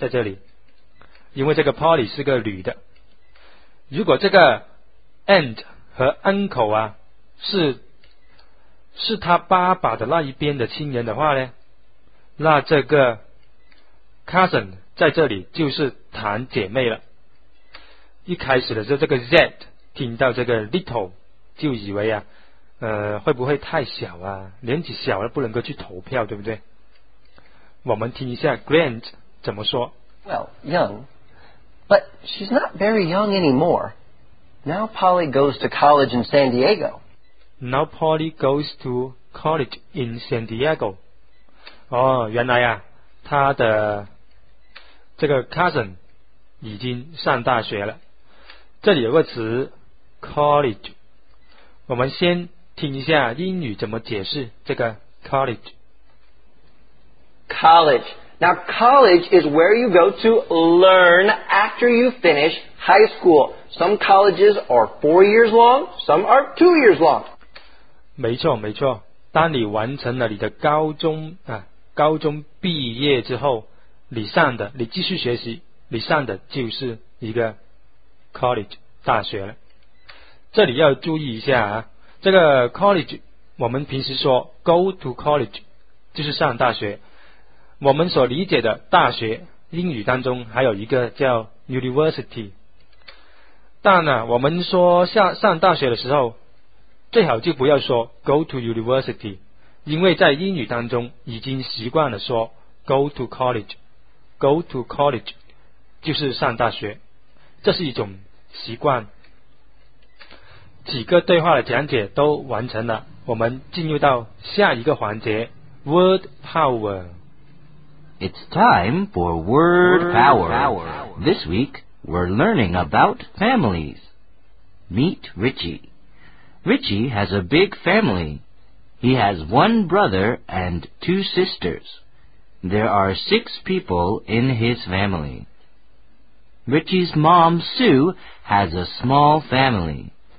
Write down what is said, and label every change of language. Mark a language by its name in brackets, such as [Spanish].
[Chinese] 在这里因为这个 Polly 是个女的，如果这个 aunt 和 uncle 啊是他爸爸的那一边的亲人的话呢，那这个cousin 在这里就是堂姐妹了。一开始的时候，这个 Z 听到这个 little 就以为啊，会不会太小啊，年纪小了不能够去投票，对不对？我们听一下 Grant 怎么说。 [English] Well, young, but she's not very young anymore. Now Polly goes to college in San Diego. Now Polly goes to college in San Diego. [Chinese] 哦，原来啊他的这个 cousin 已经上大学了。这里有个词 college， 我们先听一下英语怎么解释这个 college。 [English] College. Now college is where you go to learn after you finish high school. Some colleges are 4 years long, some are 2 years long. [Chinese] 没错没错，当你完成了你的高中啊，高中毕业之后，你上的，你继续学习，你上的就是一个 college 大学了。这里要注意一下啊，这个 college 我们平时说 [English] go to college [Chinese] 就是上大学。我们所理解的大学，英语当中还有一个叫 university。但呢，我们说上大学的时候，最好就不要说 [English] go to university。 [Chinese] 因为在英语当中已经习惯了说 [English] go to college， [Chinese] go to college 就是上大学，这是一种习惯。几个对话的讲解都完成了，我们进入到下一个环节 ,Word Power。 [English] It's time for Word Power. This week, we're learning about families. Meet Richie. Richie has a big family. He has one brother and two sisters. There are six people in his family. Richie's mom, Sue, has a small family.